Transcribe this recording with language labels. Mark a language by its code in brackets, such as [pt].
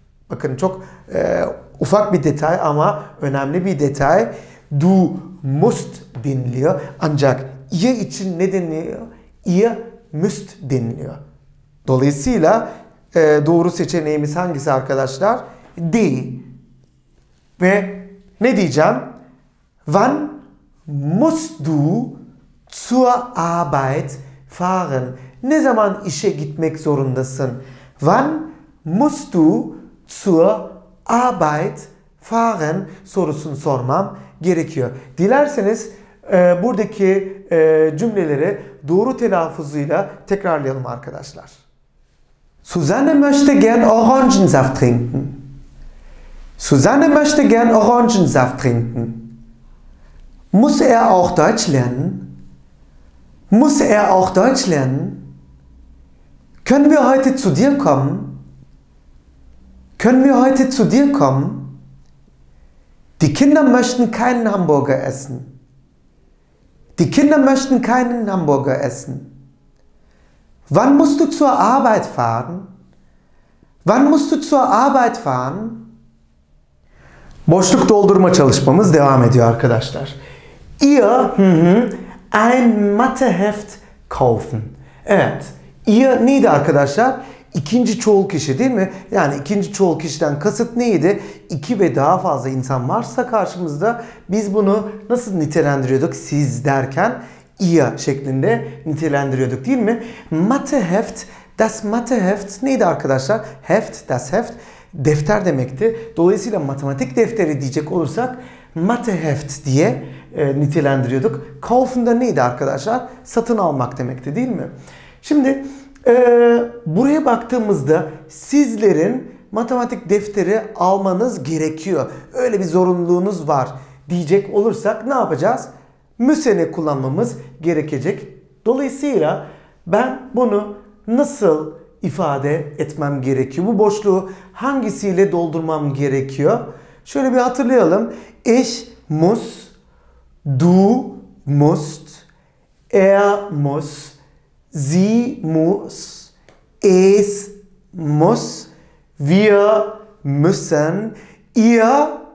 [tr] Bakın çok ufak bir detay ama önemli bir detay. [de] Du musst [tr] deniliyor. Ancak ihr için ne deniliyor? [de] Ihr müsst [tr] deniliyor. Dolayısıyla doğru seçeneğimiz hangisi arkadaşlar? D. Ve ne diyeceğim? [de] Wann musst du zur Arbeit fahren? [tr] Ne zaman işe gitmek zorundasın? [de] Wann musst du zur Arbeit fahren? [tr] Sorusunu sormam gerekiyor. Dilerseniz buradaki cümleleri doğru telaffuzuyla tekrarlayalım arkadaşlar. [de] Susanne möchte gern Orangensaft trinken. Susanne möchte gern Orangensaft trinken. Muss er auch Deutsch lernen? Muss er auch Deutsch lernen? Können wir heute zu dir kommen? Können wir heute zu dir kommen? Die Kinder möchten keinen Hamburger essen. Die Kinder möchten keinen Hamburger essen. Wann musst du zur Arbeit fahren? Wann musst du zur Arbeit fahren? [tr] Boşluk doldurma çalışmamız devam ediyor arkadaşlar. [de] Ihr ein Matheheft kaufen. [tr] Evet. Ihr neydi arkadaşlar? İkinci çoğul kişi değil mi? Yani ikinci çoğul kişiden kasıt neydi? İki ve daha fazla insan varsa karşımızda biz bunu nasıl nitelendiriyorduk? Siz derken ihr şeklinde nitelendiriyorduk değil mi? Matheheft, das Matheheft neydi arkadaşlar? Heft, das Heft defter demekti. Dolayısıyla matematik defteri diyecek olursak Matheheft diye nitelendiriyorduk. Kaufen da neydi arkadaşlar? Satın almak demekti değil mi? Şimdi buraya baktığımızda sizlerin matematik defteri almanız gerekiyor. Öyle bir zorunluluğunuz var diyecek olursak ne yapacağız? Müsene kullanmamız gerekecek. Dolayısıyla ben bunu nasıl ifade etmem gerekiyor? Bu boşluğu hangisiyle doldurmam gerekiyor? Şöyle bir hatırlayalım. [de] Ich muss, du musst, er muss, sie muss, es muss, wir müssen, ihr.